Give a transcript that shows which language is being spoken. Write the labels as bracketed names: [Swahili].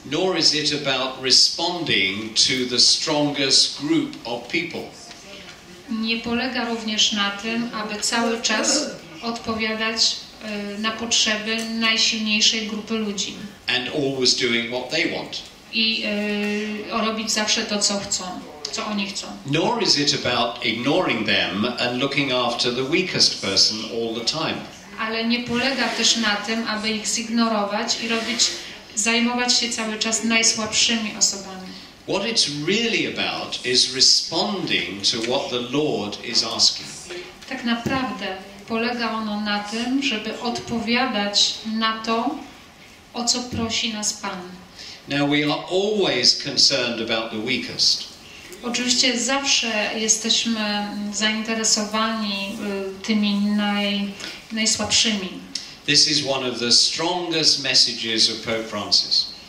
[English] Nor is it about responding to the strongest group of people. [Polish] Nie polega również na tym, aby cały czas odpowiadać na potrzeby najsilniejszej grupy ludzi. [English] And always doing what they want. [Polish] I robić zawsze to, co chcą, co oni chcą. [English] Nor is it about ignoring them and looking after the weakest person all the time. [Polish] Ale nie polega też na tym, aby ich zignorować i zajmować się cały czas najsłabszymi osobami. [English] What it's really about is responding to what the Lord is asking. [Polish] Tak naprawdę polega ono na tym, żeby odpowiadać na to, o co prosi nas Pan. [English] Now we are always concerned about the weakest. [Polish] Oczywiście zawsze jesteśmy zainteresowani tymi najsłabszymi. [English] This is one of the strongest messages of Pope Francis.